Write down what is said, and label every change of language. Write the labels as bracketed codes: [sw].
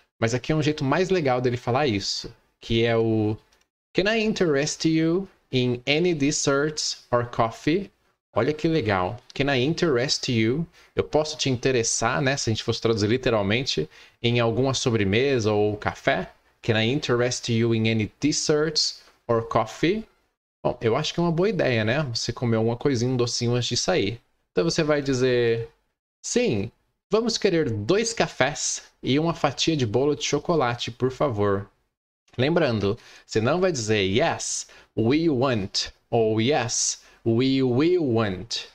[pt] Mas aqui é um jeito mais legal dele falar isso, que é o [en] Can I interest you in any desserts or coffee? [pt] Olha que legal. [en] Can I interest you? [pt] Eu posso te interessar, né? Se a gente fosse traduzir literalmente, em alguma sobremesa ou café? [en] Can I interest you in any desserts or coffee? [pt] Bom, eu acho que é uma boa ideia, né? Você comer alguma coisinha, um docinho antes de sair. Então você vai dizer: Sim, vamos querer dois cafés e uma fatia de bolo de chocolate, por favor. Lembrando, você não vai dizer [en] yes, we want, [pt] ou [en] yes, we will want.